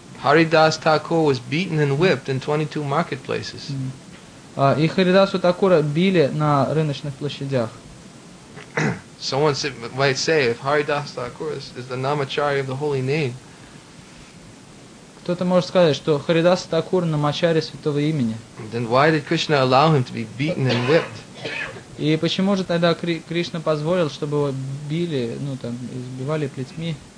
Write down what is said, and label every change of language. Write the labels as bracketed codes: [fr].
[en] Haridas Thakur was beaten and whipped in 22 marketplaces. [ru] И Харидасу Такура били на рыночных площадях. [en] Someone might say, if Haridas Thakur is the Namacharya of the holy name, [ru] кто-то может сказать, что Харидас Такур намачари святого имени. [en] Then why did Krishna allow him to be beaten and whipped? [ru] И почему же тогда Кришна позволил, чтобы его били, ну там, избивали плетьми?